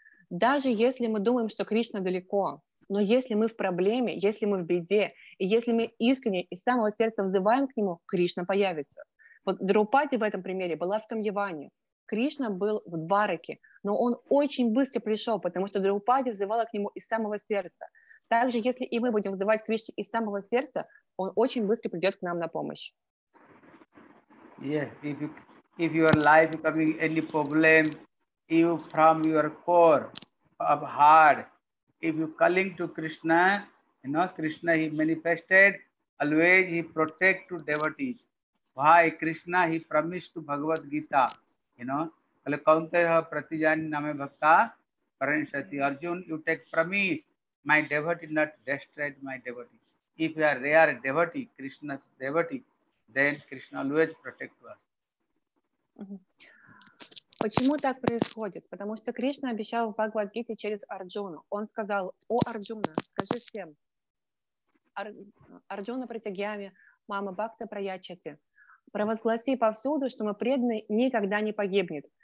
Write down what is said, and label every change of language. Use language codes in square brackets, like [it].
[ru] Даже если мы думаем, что Кришна далеко, но если мы в проблеме, если мы в беде, и если мы искренне из самого сердца взываем к нему, Кришна появится. Вот Драупади в этом примере была в Камьяване. Кришна был в Двараке, но он очень быстро пришел, потому что Драупади взывала к нему из самого сердца. Также, если и мы будем взывать Кришне из самого сердца, он очень быстро придет к нам на помощь. [en] Yes, if your life is coming any problem, you from your core of heart, if you calling to Krishna, you know, Krishna he manifested, always he protect to devotees. Why? Krishna he promised to Bhagavad Gita, you know, [sa] pratijani name bhakta paranshati [en] Arjun, you take promise. My devotee not destroyed my devotee. If you are rare devotee, Krishna's devotee, then Krishna always protect us. [ru] Почему так происходит? Потому что Кришна обещал в Бхагавад-гите через Арджуну. Он сказал: «О Арджуна, скажи всем, [sa] Арджуна Притягьяме, Мама Бхакта Праячати, [ru] провозгласи повсюду, что мы преданные никогда не погибнет.